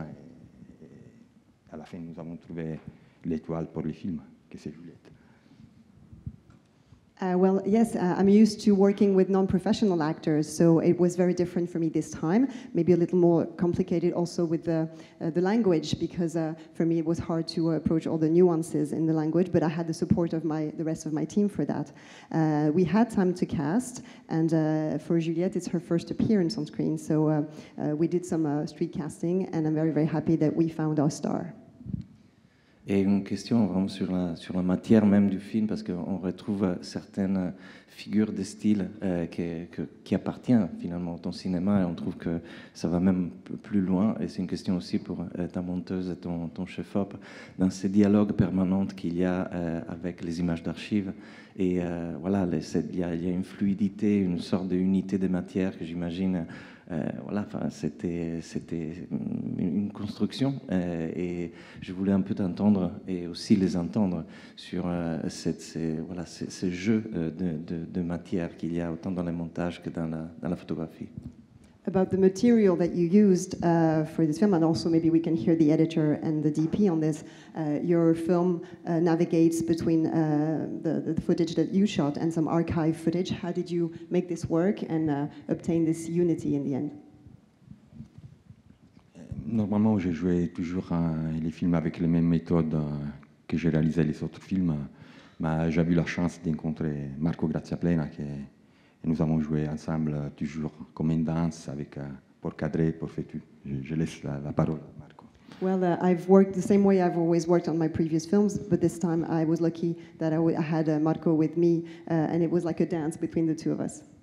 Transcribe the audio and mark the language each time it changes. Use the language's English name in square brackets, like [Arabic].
[French] Et à la fin, nous avons trouvé l'étoile pour le film, que c'est Juliette. [English] Well, yes, I'm used to working with non-professional actors, so it was very different for me this time. Maybe a little more complicated also with the language, because for me it was hard to approach all the nuances in the language, but I had the support of the rest of my team for that. We had time to cast, and for Juliette, it's her first appearance on screen, so we did some street casting, and I'm very, very happy that we found our star. [French] Et une question vraiment sur la matière même du film, parce qu'on retrouve certaines figures de style qui appartient finalement à ton cinéma, et on trouve que ça va même plus loin. Et c'est une question aussi pour ta monteuse et ton chef-op, dans ces dialogues permanents qu'il y a avec les images d'archives. Et voilà, il y a une fluidité, une sorte d'unité de matière que j'imagine... voilà, enfin, c'était une construction et je voulais un peu t'entendre et aussi les entendre sur ce jeu de matière qu'il y a autant dans les montages que dans la photographie. [English] About the material that you used for this film, and also maybe we can hear the editor and the DP on this. Your film navigates between the footage that you shot and some archive footage. How did you make this work and obtain this unity in the end? [French] Normalement, je jouais toujours les films avec les mêmes méthodes que j'ai réalisé les autres films, mais j'ai eu la chance d'encontrer Marco Graziaplena qui est. Et nous avons joué ensemble toujours comme une danse avec pour cadrer, pour fêter. Je laisse la parole à Marco. [English] Well, I've worked the same way I've always worked on my previous films, but this time I was lucky that I had Marco with me, and it was like a dance between the two of us.